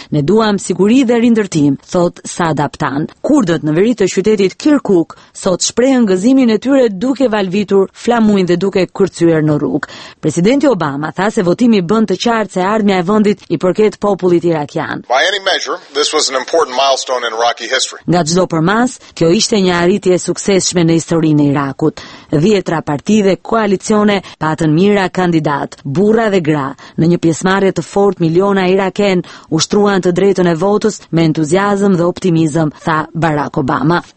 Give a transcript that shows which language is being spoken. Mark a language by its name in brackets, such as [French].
[Albanian] Ne duam siguri dhe rindërtim, thot Sadaptan. Kurdët në veri të qytetit Kirkuk sot shprehën gëzimin e tyre duke valvitur flamurin dhe duke kërcyer në rrugë. Presidenti Obama tha se votimi bën të qartë se ardhmja e vendit I përket popullit irakian. [English] By any measure, this was an important milestone in Iraqi history. [Albanian] Nga çdo përmas, kjo ishte një arritje suksesshme në historinë e Irakut. 10 partive koalicione patën mira kandidat, burra dhe gra, në një pjesëmarrje të fortë miliona iraken ushtruan të drejtën e votës me entuziazëm dhe optimizëm, tha Barack Obama.